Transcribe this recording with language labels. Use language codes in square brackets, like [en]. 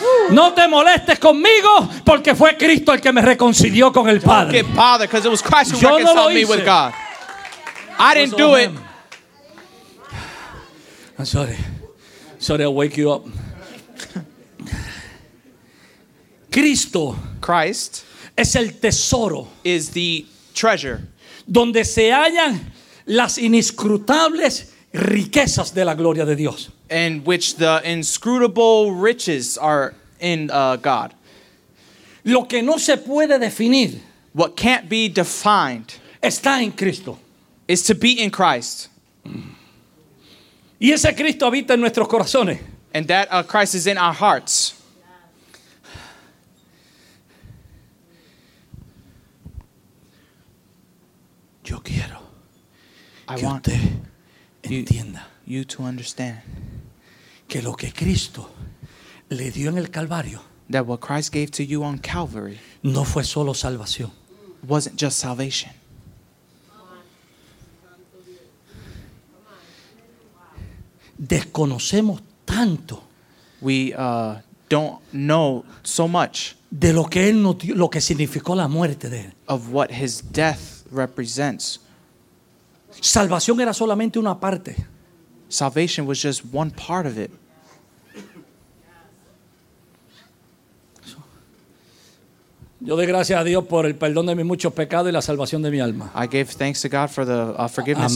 [es] No te molestes conmigo porque fue Cristo el que me reconcilió con el Padre. [en] Don't get bothered because it was Christ who reconciled me with God. I didn't do it. I'm sorry. Sorry, I'll wake you up. [es] Cristo. [en] Christ. [es] Es el tesoro. [en] Is the treasure. [es] Donde se hallan las inescrutables riquezas de la gloria de Dios. [en] In which the inscrutable riches are in God. [es] Lo que no se puede definir. [en] What can't be defined. [es] Está en Cristo. [en] Is to be in Christ. [es] Y ese Cristo habita en nuestros corazones. [en] And that Christ is in our hearts. [es] Yo quiero. [en] I [es] que [en] want [es] usted [en] you, [es] entienda [en] you to understand [es] que lo que Cristo le dio en el Calvario, [en] that what Christ gave to you on Calvary, [es] no fue solo salvación, [en] wasn't just salvation. [es] Desconocemos tanto, [en] we don't know so much [es] de lo que él no dio, lo que significó la muerte de él. [en] Of what his death represents. [es] Salvación era solamente una parte. [en] Salvation was just one part of it. [es] Yo doy gracias a Dios por el perdón de mis muchos pecados y la salvación de mi alma. [en] I give thanks to God for the forgiveness